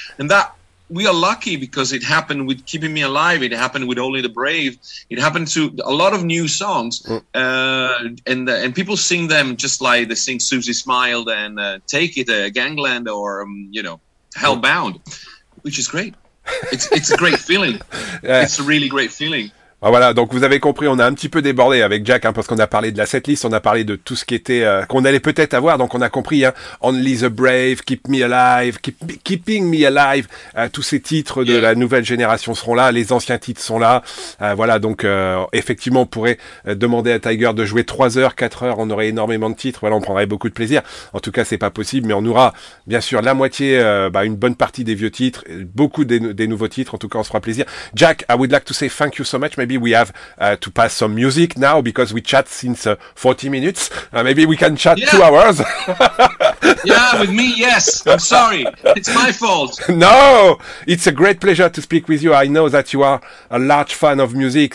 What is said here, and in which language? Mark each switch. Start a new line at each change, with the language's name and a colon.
English: And that, we are lucky, because it happened with Keeping Me Alive, it happened with Only the Brave, it happened to a lot of new songs, and people sing them just like they sing Susie Smiled and Take It, Gangland, or, you know, Hellbound, which is great. It's a great feeling. Yeah. It's a really great feeling.
French: Voilà, donc vous avez compris, on a un petit peu débordé avec Jack, hein, parce qu'on a parlé de la setlist, on a parlé de tout ce qui était qu'on allait peut-être avoir, donc on a compris, hein, Only the Brave, Keep Me Alive, Keeping Me Alive, tous ces titres de la nouvelle génération seront là, les anciens titres sont là, voilà, donc effectivement, on pourrait demander à Tiger de jouer 3 heures, 4 heures, on aurait énormément de titres, voilà, on prendrait beaucoup de plaisir, en tout cas, c'est pas possible, mais on aura, bien sûr, la moitié, une bonne partie des vieux titres, beaucoup des nouveaux titres, en tout cas, on se fera plaisir.
English: Jack, I would like to say thank you so much, maybe we have to pass some music now because we chat since 40 minutes. Maybe we can chat 2 hours. Yeah, with me, yes. I'm sorry. It's my fault. No, it's a great pleasure to speak with you. I know that you are a large fan of music.